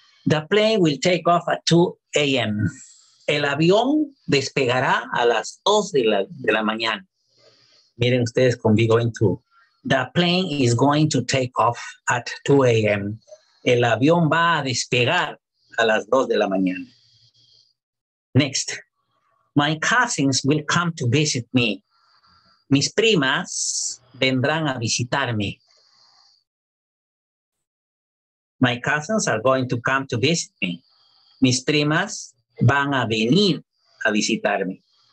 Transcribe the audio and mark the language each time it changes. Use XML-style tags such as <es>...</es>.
<en>The plane will take off at 2 a.m.</en> <es>El avión despegará a las 2 de la mañana. Miren ustedes con be going to.</es> <en>The plane is going to take off at 2 a.m.</en> <es>El avión va a despegar a las 2 de la mañana.</es> <en>Next. My cousins will come to visit me.</en> <es>Mis primas vendrán a visitarme.</es> <en>My cousins are going to come to visit me.</en> <es>Mis primas van a venir a visitarme.</es>